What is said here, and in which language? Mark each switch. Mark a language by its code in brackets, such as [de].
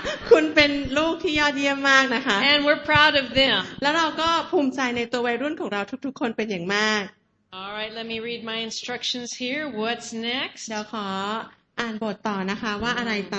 [th] คุณเป็นลูกที่ยอดเยี่ยมมากนะคะ [en] and we're proud of them [th] แล้วเราก็ภูมิใจในตัววัยรุ่นของเราทุกๆคนเป็นอย่างมาก [en] all right let me read my instructions here what's next [th] เดี๋ยวขออ่านบทต่อนะคะว่าอะไรต